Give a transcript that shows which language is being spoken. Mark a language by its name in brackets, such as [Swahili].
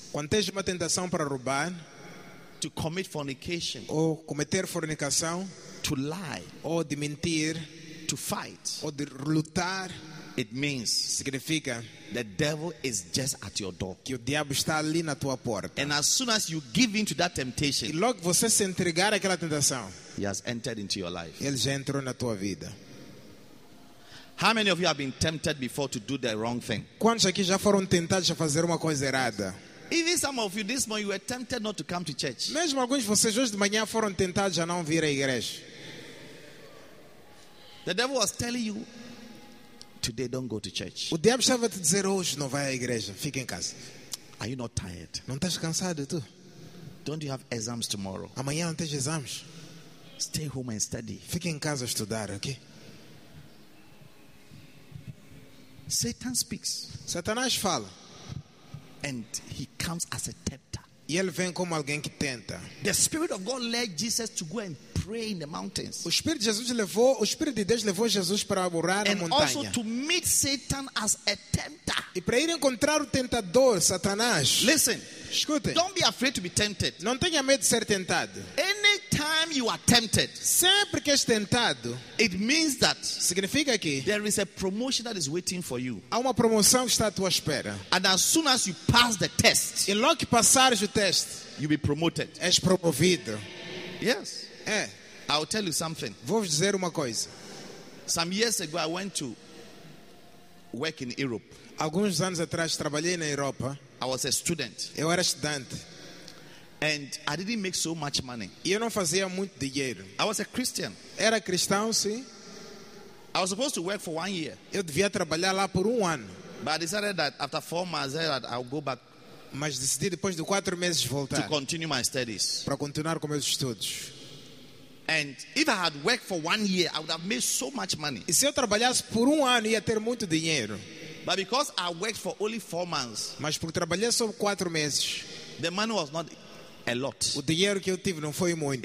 [Portuguese] quando tens uma tentação para roubar, [English] to commit fornication, [Portuguese] ou cometer fornicação, [English] to lie, [Portuguese] ou de mentir, [English] to fight, [Portuguese] ou de lutar, [English] it means, [Portuguese] significa, [English] the devil is just at your door. [Portuguese] Que o diabo está ali na tua porta. [English] And as soon as you give in to that temptation, [Portuguese] e logo você se entregar àquela tentação, [English] he has entered into your life. [Portuguese] Ele já entrou na tua vida. [English] How many of you have been tempted before to do the wrong thing? [Portuguese] Quantos aqui já foram tentados a fazer uma coisa errada? [English] Even some of you this morning you were tempted not to come to church. [Portuguese] Mesmo alguns de vocês hoje de manhã foram tentados a não vir à igreja. [English] The devil was telling you, today don't go to church. [Portuguese] O diabo estava te dizer hoje não vai à igreja, fica em casa. [English] Are you not tired? [Portuguese] Não estás cansado tu? [English] Don't you have exams tomorrow? [Portuguese] Amanhã não tens exames? [English] Stay home and study. [Portuguese] Fica em casa a estudar, ok? [English] Satan speaks. [Portuguese] Satanás fala. [English] And he comes as a tempter. [Portuguese] E ele vem como alguém que tenta. [English] The Spirit of God led Jesus to go and pray in the mountains. [Portuguese] O Espírito de Jesus levou, o Espírito de Deus levou Jesus para orar na montanha. [English] And also to meet Satan as a tempter. [Portuguese] E para ir encontrar o tentador, Satanás. [English] Listen. [Portuguese] Escute. [English] Don't be afraid to be tempted. [Portuguese] Não tenha medo de ser tentado. [English] Anytime time you are tempted, [Portuguese] sempre que és tentado, [English] it means that [Portuguese] significa que [English] there is a promotion that is waiting for you. [Portuguese] Há uma promoção que está à tua espera. [English] And as soon as you pass the test, [Portuguese] e logo que passares o teste, [English] you be promoted. [Portuguese] És promovido. [English] Yes. [Portuguese] É. [English] I'll tell you something. [Portuguese] Vou dizer uma coisa. [English] Some years ago, I went to work in Europe. [Portuguese] Alguns anos atrás trabalhei na Europa. [English] I was a student. [Portuguese] Eu era estudante. [English] And I didn't make so much money. [Portuguese] E eu não fazia muito dinheiro. [English] I was a Christian. [Portuguese] Era cristão, sim. [English] I was supposed to work for 1 year. [Portuguese] Eu devia trabalhar lá por 1 ano. [English] But I decided that after 4 months, that I'll go back. [Portuguese] Mas decidi depois de 4 meses voltar. [English] To continue my studies. [Portuguese] Para continuar com meus estudos. [English] And if I had worked for 1 year, I would have made so much money. [Portuguese] E se eu trabalhasse por 1 ano, ia ter muito dinheiro. [English] But because I worked for only 4 months, [Portuguese] mas porque trabalhei só 4 meses, [English] the money was not a lot. [Portuguese] O dinheiro que eu tive não foi muito.